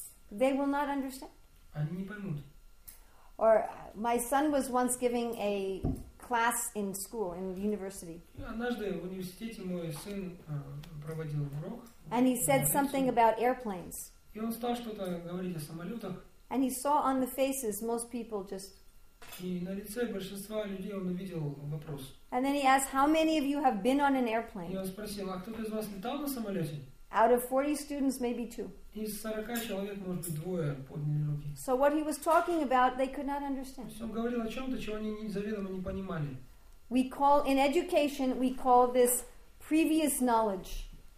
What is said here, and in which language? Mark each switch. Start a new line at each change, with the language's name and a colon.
English: They will not understand.
Russian: Они не поймут.
English: Or my son was once giving a class in school, in the university.
Russian: Однажды в университете мой сын проводил урок.
English: And he said something about airplanes.
Russian: И он стал что-то говорить о самолетах.
English: And he saw on the faces most people just...
Russian: И на лице большинства людей он увидел вопрос.
English: And then he asked, how many of you have been on an airplane?
Russian: И он спросил, а кто-то из вас летал на самолете?
English: Out of 40 students, maybe two.
Russian: Из 40 человек, может быть, двое подняли руки.
English: So what he was talking about, they could not understand.
Russian: Он говорил о чем-то, чего они заведомо не понимали.
English: We call in education, we call this previous knowledge.